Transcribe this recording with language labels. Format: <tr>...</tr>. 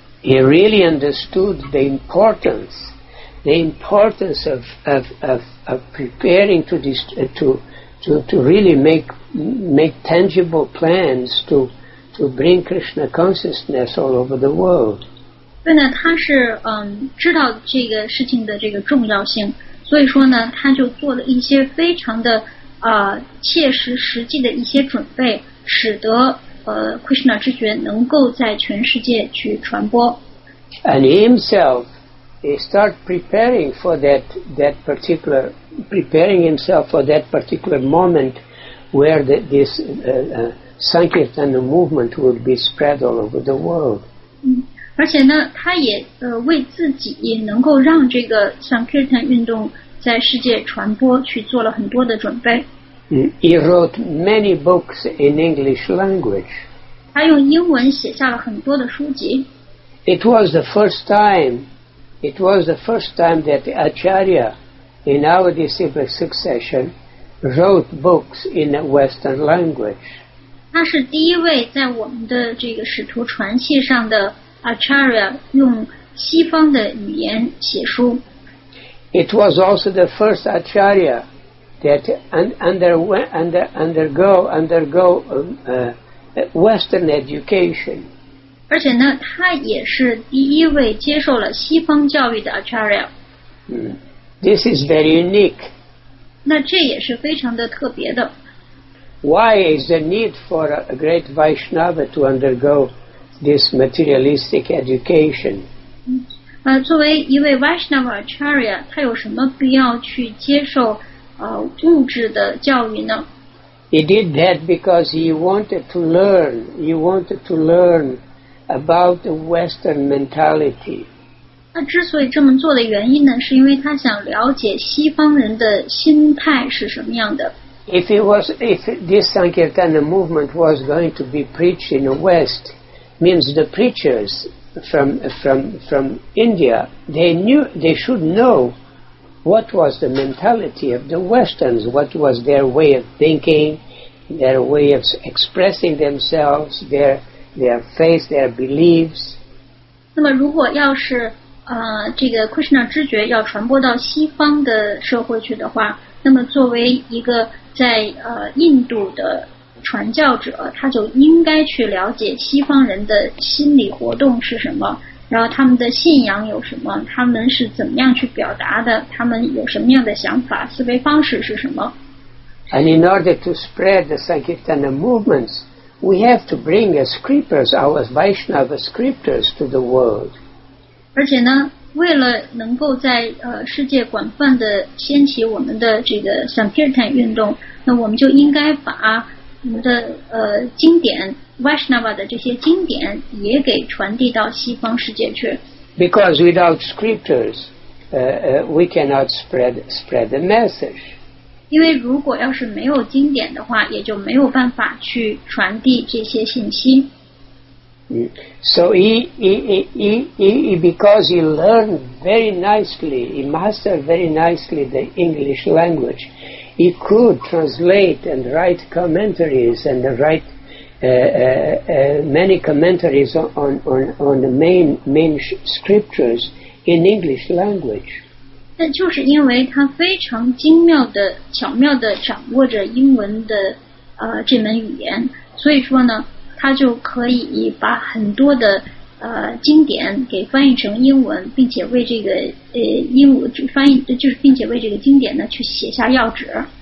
<en>He really understood the importance of preparing to really make tangible plans to bring Krishna consciousness all over the world.</en> <zh>对呢，他是知道这个事情的这个重要性，所以说呢，他就做了一些非常的切实实际的一些准备，使得Krishna 知觉能够在全世界去传播。</zh> <en>And himself. He start preparing for that particular moment where this Sankirtana movement would be spread all over the world.</en> <zh>而且呢，他也为自己也能够让这个 Sankirtana 运动在世界传播去做了很多的准备。</zh> <en>He wrote many books in English language.</en> <zh>他用英文写下了很多的书籍。</zh> <en>It was the first time that Acharya in our disciple succession wrote books in a Western language.</en> <zh>他是第一位在我们的这个使徒传系上的 Acharya 用西方的语言写书。</zh> <en>It was also the first Acharya that undergo Western education.</en> <zh>而且呢，他也是第一位接受了西方教育的 Acharya.</zh> <en>This is very unique.</en> <zh>那这也是非常的特别的。</zh> <en>Why is the need for a great Vaishnava to undergo this materialistic education?</en> <zh>作为一位 Vaishnava Acharya, 他有什么必要去接受物质的教育呢？</zh> <en>He did that because he wanted to learn about the Western mentality.</en> <zh>他之所以这么做的原因呢，是因为他想了解西方人的心态是什么样的。</zh> <en>If this Sankirtana movement was going to be preached in the West, means the preachers from India, they should know what was the mentality of the Westerns, what was their way of thinking, their way of expressing themselves, their faith, their beliefs.</en> <zh>那么如果要是这个 Krishna 知觉要传播到西方的社会去的话，那么作为一个在印度的传教者，他就应该去了解西方人的心理活动是什么，然后他们的信仰有什么，他们是怎么样去表达的，他们有什么样的想法，思维方式是什么。</zh> <en>And in order to spread the Sankirtana movements, we have to bring the scriptures, our Vaishnava scriptures to the world.</en> <zh>而且呢，为了能够在世界广泛的掀起我们的这个 Sankirtan 运动，那我们就应该把我们的经典 Vaishnava 的这些经典也给传递到西方世界去。</zh> <en>Because without scriptures, we cannot spread the message.</en> <zh>因为如果要是没有经典的话，也就没有办法去传递这些信息。</zh> <en>So he because he learned very nicely, he mastered very nicely the English language, he could translate and write commentaries and write many commentaries on the main scriptures in English language.</en> <zh>但就是因为他非常精妙的巧妙的掌握着英文的这门语言，所以说呢，他就可以把很多的经典给翻译成英文，并且为这个英文翻译，就是并且为这个经典呢去写下要旨。</zh>